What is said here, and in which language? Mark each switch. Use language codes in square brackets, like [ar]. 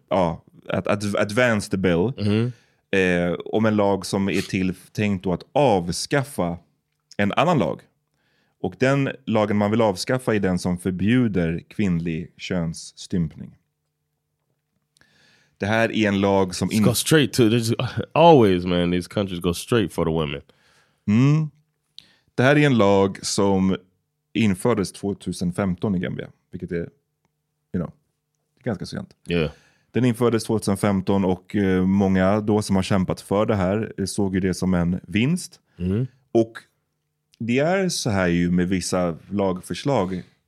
[sv] Ja, att [en] advance the bill. Mm-hmm. [sv] Om en lag som är tänkt då att avskaffa en annan lag. Och den lagen man vill avskaffa är den som förbjuder kvinnlig könsstympning. Det här är en lag som... [en] Go straight to... Always, man, these countries go straight for the women. Mm. [sv] Det här är en lag som infördes 2015 i Gambia, vilket är, [en] you know, [sv] ganska sent. [en] Yeah. [sv] Den infördes 2015 och många då som har kämpat för det här såg ju det som en vinst. Mm. Och det är så här ju med vissa lagförslag.